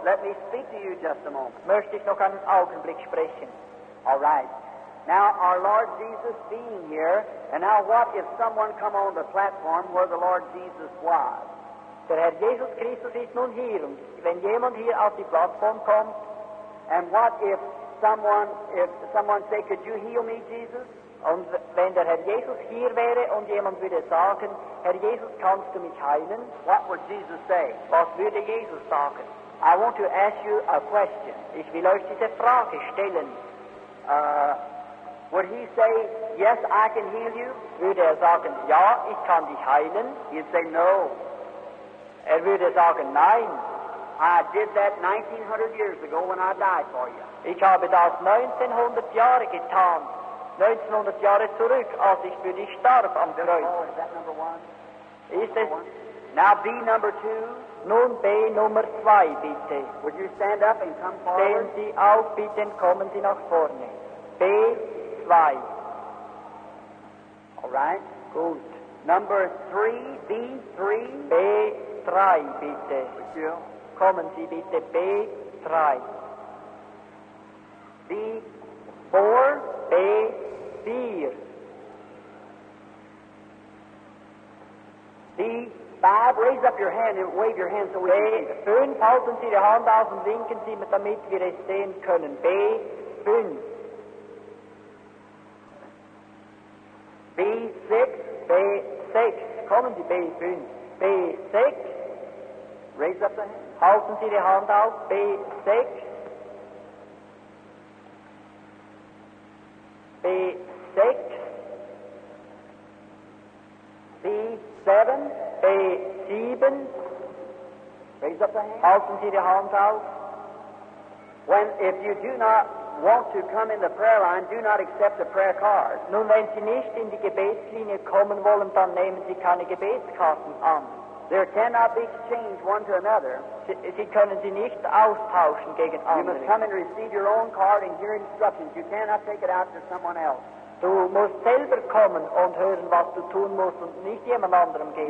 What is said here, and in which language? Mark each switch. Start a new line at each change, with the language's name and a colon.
English: let me speak to you just a moment.
German: Möchte ich noch einen Augenblick sprechen.
English: All right. Now, our Lord Jesus being here, and now what if someone come on the platform where the Lord Jesus was?
German: Der Herr Jesus Christus ist nun hier, und wenn jemand hier auf die Plattform kommt,
English: and what if someone say, could you heal me, Jesus?
German: Und wenn der Herr Jesus hier wäre und jemand würde sagen, Herr Jesus, kannst du mich heilen?
English: What would Jesus say?
German: Was würde Jesus sagen?
English: I want to ask you a question.
German: Ich will euch diese Frage stellen.
English: Would he say, yes, I can heal you?
German: Würde er sagen, ja, ich kann dich heilen?
English: He'd say, no.
German: Er würde sagen, nein.
English: I did that 1900 years ago when I died for you.
German: Ich habe das 1900 Jahre getan. 1900 Jahre zurück, als ich für dich starb am Kreuz.
English: Oh, is that number one?
German: Ist es?
English: Now B number two.
German: Nun B Nummer zwei, bitte.
English: Would you stand up and come forward?
German: Stehen Sie auf, bitte, und kommen Sie nach vorne. B zwei.
English: All right.
German: Gut.
English: Number three, B three.
German: B drei, bitte. Kommen Sie bitte, B drei.
English: B four.
German: B. Vier.
English: B. Five. Raise up your hand and wave your hand so we can see.
German: B. Fünf. Halten Sie die Hand aus und winken Sie, damit wir es sehen können. B. Fünf.
English: B. Six.
German: B. Sechs. Kommen Sie, B. Fünf. B. Sechs.
English: Raise up the hand.
German: Halten Sie die Hand aus. B. Sechs. B6, B7, B7,
English: raise up the hand.
German: Halten Sie die Hand auf.
English: If you do not want to come in the prayer line, do not accept the prayer card.
German: Nun, wenn Sie nicht in die Gebetslinie kommen wollen, dann nehmen Sie keine Gebetskarten an.
English: There cannot be exchanged one to another.
German: Sie können sie nicht austauschen gegen andere.
English: You must come and receive your own card and hear instructions. You cannot take it out to someone else.
German: Du musst selber kommen und hören, was du tun musst und nicht jemand anderem geben.